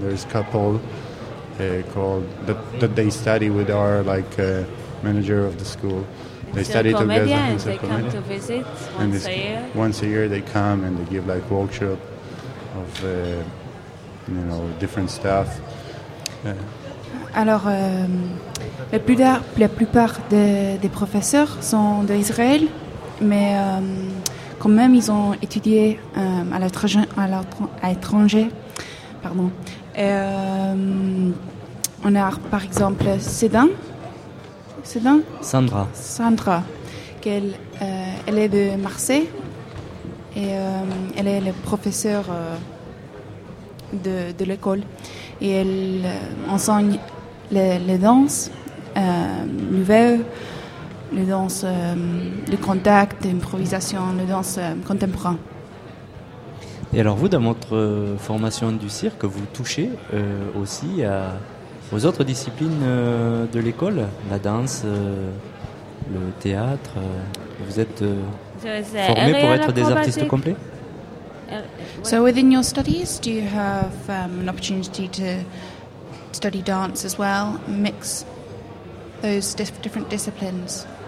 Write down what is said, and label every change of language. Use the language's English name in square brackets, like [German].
[English] There's a couple called that they study with our manager of the school. They study together and they come to visit once a year they come and they give workshop of different stuff. [French] Alors, la plupart des professeurs sont d'Israël, mais quand même, ils ont étudié à l'étranger. Pardon. On a par exemple Cédin? Sandra, qu'elle est de Marseille, et elle est le professeur de l'école. Et elle enseigne les danses nouvelles, les danses de contact, d'improvisation, les danses contemporaines. Et alors vous, dans votre formation du cirque, vous touchez aussi aux autres disciplines de l'école, la danse, le théâtre. Vous êtes formé pour être des artistes complets? [English] So within your studies, do you have an opportunity to study dance as well, mix those different disciplines?